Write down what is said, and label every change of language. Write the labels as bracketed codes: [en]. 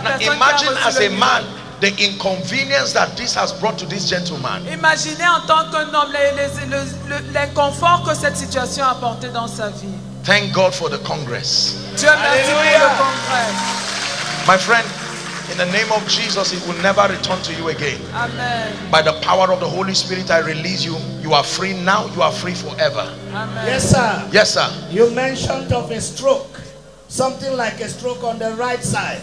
[en] now, imagine as a man, the inconvenience that this has brought to this gentleman. [fr] Imaginez en tant qu'un homme l'inconfort que cette situation a apporté dans sa vie. [en] Thank God for the Congress. [fr] Dieu merci pour le Congrès. [en] My friend, in the name of Jesus, it will never return to you again. Amen. By the power of the Holy Spirit, I release you. You are free now. You are free forever. Amen. Yes, sir. Yes, sir. You mentioned of a stroke, something like a stroke on the right side.